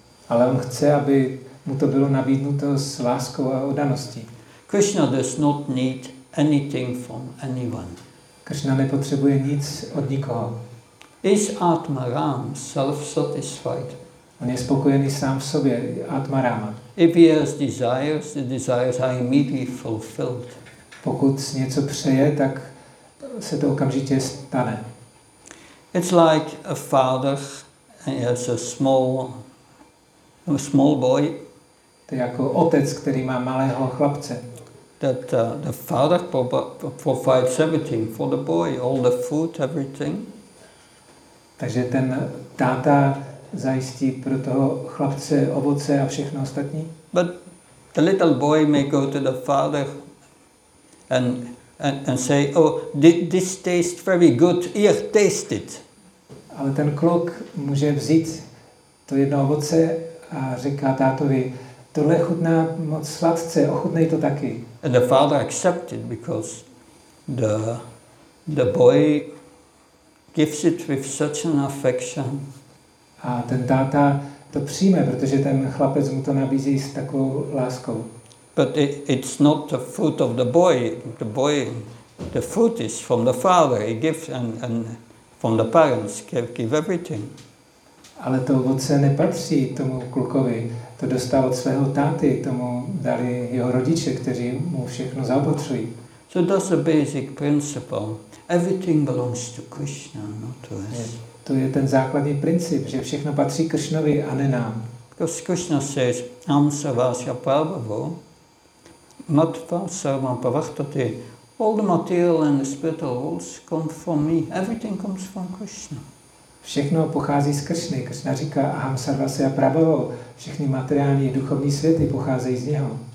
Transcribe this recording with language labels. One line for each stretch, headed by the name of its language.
Czech: Ale on chce, aby mu to bylo nabídnuto s láskou a oddaností.
English: Krishna does not need anything from anyone.
Czech: Krishna nepotřebuje nic od nikoho.
English: Is Atmaram self-satisfied?
Czech: On je spokojený sám v sobě, Atmarama.
English: If he has desires, the desires are immediately fulfilled.
Czech: Pokud si něco přeje, tak se to okamžitě stane.
English: It's like a father and he has a small boy.
Czech: To je jako otec, který má malého chlapce.
English: That the father provides everything for the boy, all the food, everything.
Czech: Takže ten táta zajistí pro toho chlapce ovoce a všechno ostatní.
English: But the little boy may go to the father and say, oh, this tastes very good. Here, taste it.
Czech: Ale ten kluk může vzít to jedno ovoce a říká tátovi, tohle chutná moc sladce, ochutnej to taky.
English: And the father accepted because the boy gives it with such an affection.
Czech: A ten táta to přijme, protože ten chlapec mu to nabízí s takovou láskou.
English: But it's not the fruit of the boy. The boy, the fruit is from the father. He gives and from the parents give everything.
Czech: Ale to ovoce nepatří tomu klukovi. To dostal od svého táty. Tomu dali jeho rodiče, kteří mu všechno zaopatřují.
English: So that's a basic principle. Everything belongs to Krishna, not to us.
Czech: To je ten základní princip, že všechno patří Krishnovi a ne nám.
English: Because Krishna says,
Sanskrit: "Am savasya prabhavo." Matva sarva pravartate.
English: All the material and the spiritual worlds come from me. Everything comes from Krishna.
Czech: Všechno pochází z Krishny. Krishna říká,
Sanskrit: aham sarva se a prabhavo.
Czech: Všechny materiální a duchovní světy pocházejí z něho.